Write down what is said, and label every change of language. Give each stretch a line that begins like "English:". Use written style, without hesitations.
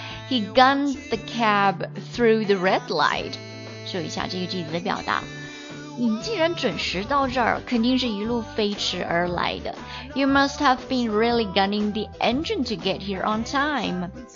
English: He gunned the cab through the red light。
Chinese: 注意一下这个句子的表达，你既然准时到这儿，肯定是一路飞驰而来的。
English: You must have been really gunning the engine to get here on time。